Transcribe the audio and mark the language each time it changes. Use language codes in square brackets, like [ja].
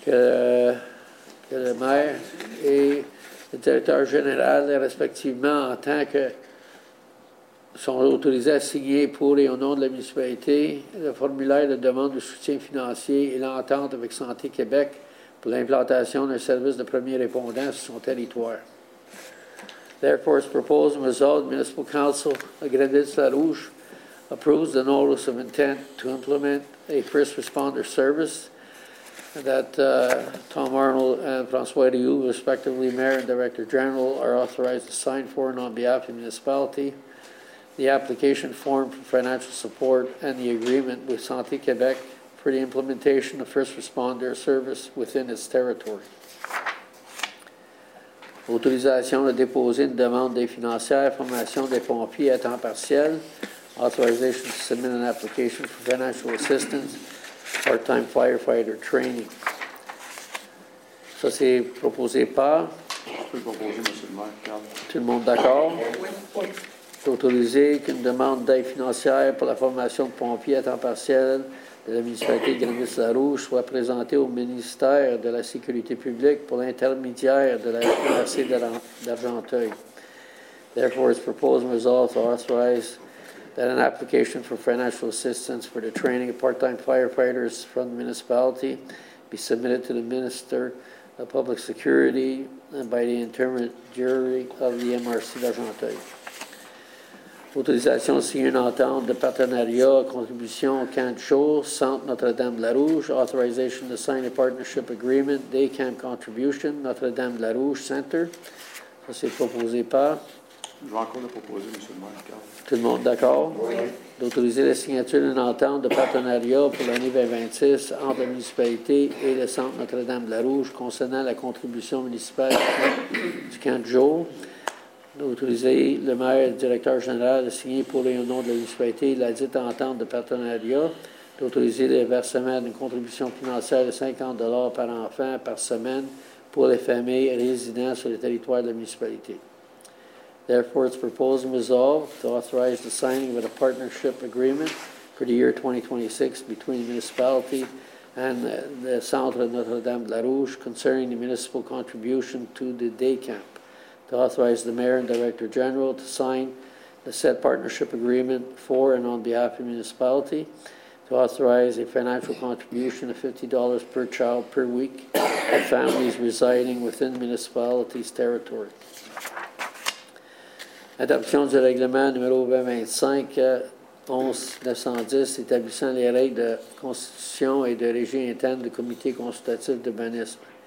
[fr] Que le maire et le directeur général, respectivement, en tant que. Sont autorisés à signer pour et au nom de la municipalité le formulaire de demande de soutien financier et l'entente avec Santé Québec pour l'implantation d'un service de premier répondant sur son territoire. [en] Therefore, it's proposed and resolved, Municipal Council of Grenville-sur-la-Rouge approves the notice of intent to implement a first responder service that Tom Arnold and François Rioux, respectively Mayor and Director General, are authorized to sign for and on behalf of the municipality. The application form for financial support and the agreement with Santé Québec for the implementation of first responder service within its territory. [fr] Autorisation de déposer une demande des financières, formation des pompiers à temps partiel. [en] Authorization to submit an application for financial assistance, part-time firefighter training. [fr] Ça, c'est proposé par. Je peux proposer, M. le maire. Tout le monde d'accord? Oui. Autoriser qu'une demande d'aide financière pour la formation de pompiers à temps partiel de la municipalité de Grenville-sur-la-Rouge soit présentée au ministère de la Sécurité publique pour l'intermédiaire de la FRC d'Argenteuil. [en] Therefore, it's proposed and resolved to authorize that an application for financial assistance for the training of part-time firefighters from the municipality be submitted to the Minister of Public Security and by the intermediary of the MRC d'Argenteuil. [fr] Autorisation de signer une entente de partenariat, contribution au camp de jour, Centre Notre-Dame-de-la-Rouge. [en] Authorization to sign a partnership agreement, day camp contribution, Notre-Dame-de-la-Rouge Center. [fr] Ça, c'est proposé par. Je vais encore le proposer, M. le maire. Tout le monde d'accord? Oui. D'autoriser la signature d'une entente de partenariat pour l'année 2026 entre la municipalité et le Centre Notre-Dame-de-la-Rouge concernant la contribution municipale du camp de jour. Autoriser le maire et le directeur général de signer pour et au nom de la municipalité la dite entente de partenariat, d'autoriser le versement d'une contribution financière de 50 $ par enfant par semaine pour les familles résidant sur le territoire de la municipalité. [en] Therefore, it's proposed and resolved to authorize the signing of a partnership agreement for the year 2026 between the municipality and the Centre Notre-Dame-de-la-Rouge concerning the municipal contribution to the day camp. To authorize the Mayor and Director General to sign the said partnership agreement for and on behalf of the municipality, to authorize a financial contribution of $50 per child per week to families residing within the municipality's territory. [fr] Adoption du règlement numéro 2025-11-910, établissant les règles de constitution et de régie interne du Comité consultatif d'urbanisme.